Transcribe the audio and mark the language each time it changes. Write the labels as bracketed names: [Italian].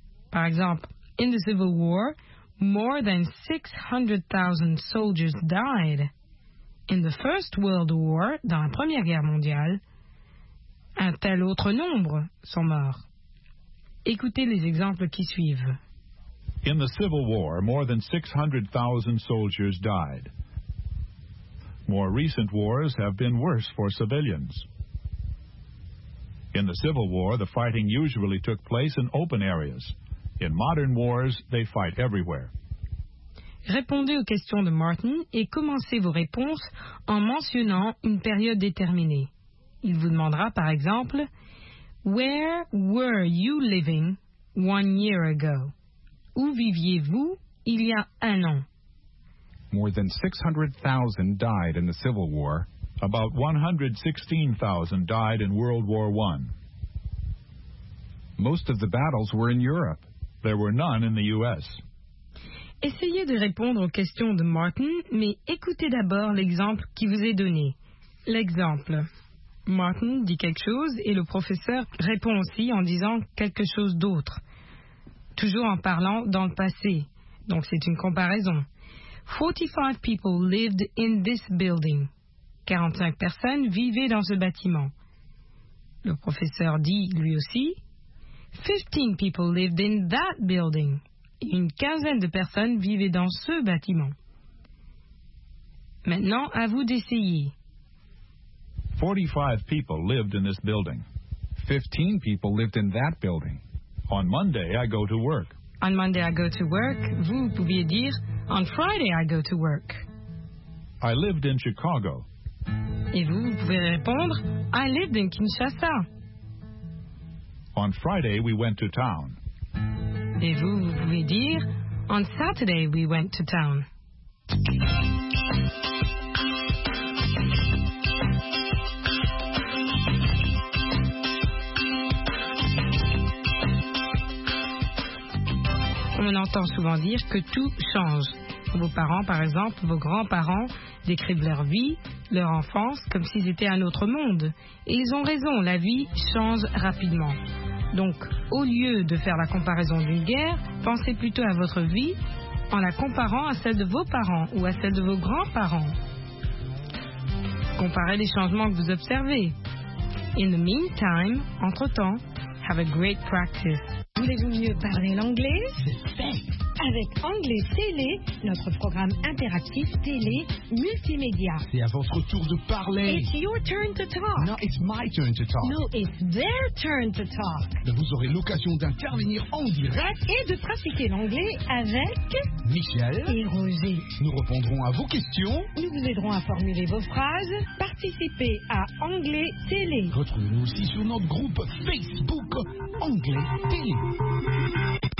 [French] Par exemple, [English] « In the Civil War, more than 600,000 soldiers died. In the First World War, [French] dans la Première Guerre mondiale, un tel autre nombre sont morts. » Écoutez les exemples qui suivent. [English] In the Civil War, more than 600,000 soldiers died. More recent wars have been worse for civilians. In the Civil War, the fighting usually took place in open areas. In modern wars, they fight everywhere. [French] Répondez aux questions de Martin et commencez vos réponses en mentionnant une période déterminée. Il vous demandera, par exemple, [English] Where were you living 1 year ago? [French] Où viviez-vous il y a un an? [English] More than 600,000 died in the Civil War. About 116,000 died in World War I. Most of the battles were in Europe. There were none in the U.S. [French] Essayez de répondre aux questions de Martin, mais écoutez d'abord l'exemple qui vous est donné. L'exemple. Martin dit quelque chose et le professeur répond aussi en disant quelque chose d'autre. Toujours en parlant dans le passé. Donc c'est une comparaison. [English] 45 people lived in this building. [French] 45 personnes vivaient dans ce bâtiment. Le professeur dit lui aussi [English] 15 people lived in that building. [French] Une quinzaine de personnes vivaient dans ce bâtiment. Maintenant, à vous d'essayer. [English] 45 people lived in this building. 15 people lived in that building. On Monday, I go to work. On Monday, I go to work. [French] Vous pouviez dire, [English] on Friday, I go to work. I lived in Chicago. [French] Et vous pouvez répondre, [English] I lived in Kinshasa. On Friday, we went to town. [French] Et vous pouvez dire, [English] on Saturday, we went to town. [French] On entend souvent dire que tout change. Vos parents, par exemple, vos grands-parents décrivent leur vie leur enfance comme s'ils étaient un autre monde. Et ils ont raison, la vie change rapidement. Donc, au lieu de faire la comparaison d'une guerre, pensez plutôt à votre vie en la comparant à celle de vos parents ou à celle de vos grands-parents. Comparez les changements que vous observez. [English] In the meantime, [French] entre-temps, [English] have a great practice. [French] Voulez-vous mieux parler l'anglais? Avec Anglais Télé, notre programme interactif télé multimédia. C'est à votre tour de parler. [English] It's your turn to talk. No, it's my turn to talk. No, it's their turn to talk. [French] Vous aurez l'occasion d'intervenir en direct et de pratiquer l'anglais avec Michel et Roger. Nous répondrons à vos questions. Nous vous aiderons à formuler vos phrases. Participez à Anglais Télé. Retrouvez-nous aussi sur notre groupe Facebook Anglais Télé.